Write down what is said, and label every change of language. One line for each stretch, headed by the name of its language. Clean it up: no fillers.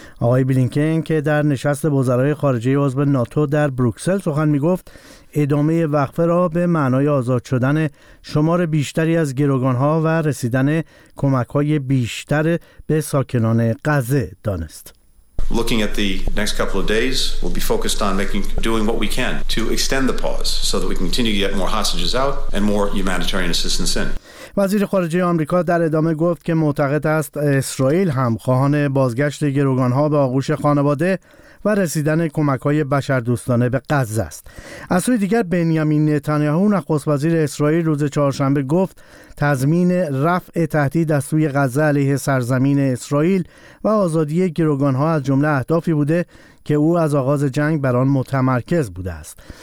Persian: آقای بلینکن که در نشست وزرای خارجه عضو ناتو در بروکسل سخن می‌گفت، ادامه وقفه را به معنای آزاد شدن شمار بیشتری از گروگان‌ها و رسیدن کمک‌های بیشتر به ساکنان غزه دانست.
English: Looking at the next couple of days, we'll be focused on doing what we can to extend the pause so that we can continue to get more hostages out and more humanitarian assistance in.
Persian: وزیر خارجه آمریکا در ادامه گفت که معتقد است اسرائیل هم خواهان بازگشت گروگان‌ها به آغوش خانواده و رسیدن کمک‌های بشردوستانه به غزه است. از سوی دیگر بنیامین نتانیاهو، نخست وزیر اسرائیل، روز چهارشنبه گفت تضمین رفع تهدید از سوی غزه علیه سرزمین اسرائیل و آزادی گروگان‌ها از جمله اهدافی بوده که او از آغاز جنگ بر آن متمرکز بوده است.